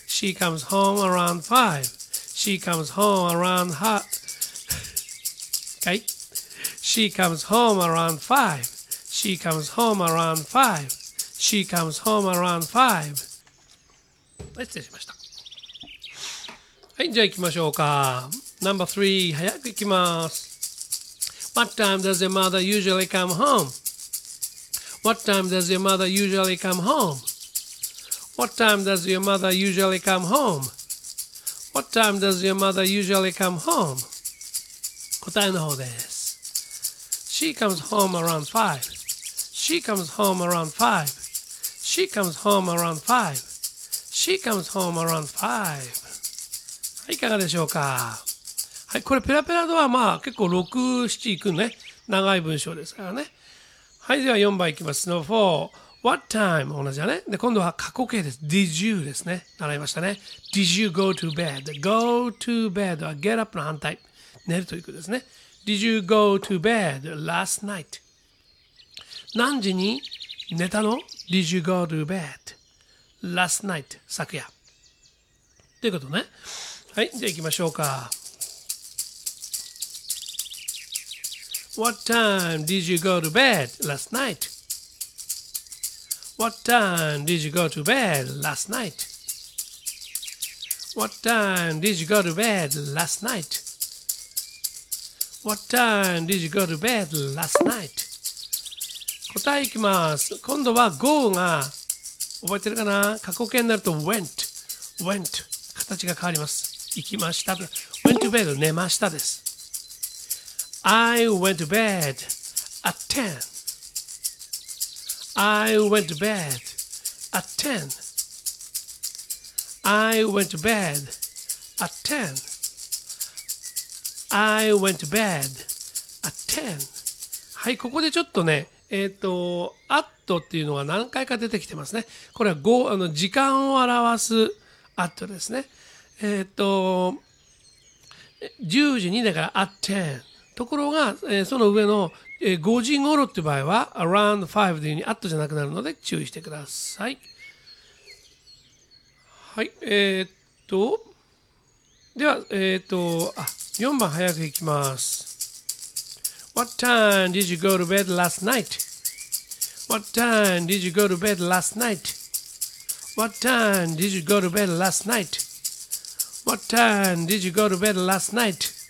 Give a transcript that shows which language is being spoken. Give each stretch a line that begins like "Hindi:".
English: She comes home around five. She comes home around hot. Okay. She comes home around five. She comes home around five. She comes home around five.
Japanese: 失礼しました。はい、じゃあ行きましょうか。
English: Number three.
Japanese: 早く行きます。
English: What time does your mother usually come home? What time does your mother usually come home? What time does your mother usually come home? What time does your mother usually come home?
Japanese: 答えの方です。
English: She comes home around five. She comes home around five. She comes home around five. She comes home around five.
Japanese: はい、いかがでしょうか。はい、これペラペラドはまあ結構6、7いくね。長い文章ですからね。はい、では4番いきます。
English: No. 4. What time?
Japanese: 同じだね。で、今度は過去形です。Did you ですね。習いましたね。
English: Did you go to bed?
Japanese: Go to bed は get up の反対。寝るということですね。
English: Did you go to bed last night?
Japanese: 何時に寝たの?
English: Did you go to bed last night?
Japanese: 昨夜。ということね。はい、じゃあ行きましょうか。
English: What time did you go to bed last night? What time did you go to bed last night? What time did you go to bed last night? What time did you go to bed last night?
Japanese: 答えいきます。今度は go が覚えてるかな? 過去形になると went。went。 形が変わります。行きました。
English: went to bed
Japanese: 寝ましたです。
English: I went to bed at 10. I went to bed at 10. I went to bed at 10. I went to bed at 10.
Japanese: はい、ここでちょっとね、at っていうのが何回か出てきてますね。これは5、時間を表す at ですね。 10時にだから at 10。ところが、その上の、5時頃っていう場合は around 5というふうに at じゃなくなるので注意してください。はい、では、4番早くいきます。
English: What time did you go to bed last night? What time did you go to bed last night? What time did you go to bed last night? What time did you go to bed last night?